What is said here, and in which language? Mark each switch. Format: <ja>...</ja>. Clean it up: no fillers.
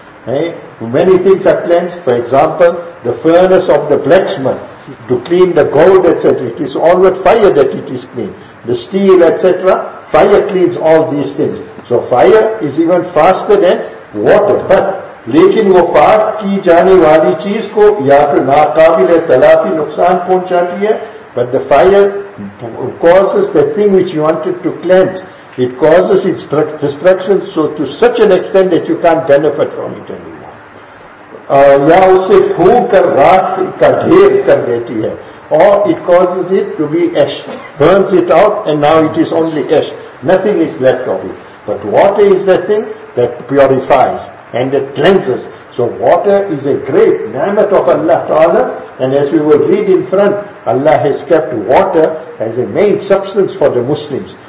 <en>Many things are cleansed, for example, the furnace of the blacksmith to clean the gold, etc. It is all with fire that it is clean. The steel, etc. Fire cleans all these things. So fire is even faster than water. But</en> <ur>لیکن وہ پاک کی جانے والی چیز کو یا پھر ناقابل تلافی نقصان پہنچاتی ہے.</ur> <en>But the fire causes the thing which you wanted to cleanse. It causes its destruction so to such an extent that you can't benefit from it anymore.</en> <ur>یا اسے پھون کر راک کا ڈھیر کر دیتی ہے.</ur> <en>Or it causes it to be ash. Burns it out and now it is only ash. Nothing is left of it. But water is the thing that purifies and it cleanses. So water is a great ni'mat of Allah Ta'ala. And as we will read in front, Allah has kept water as a main substance for the Muslims.</en>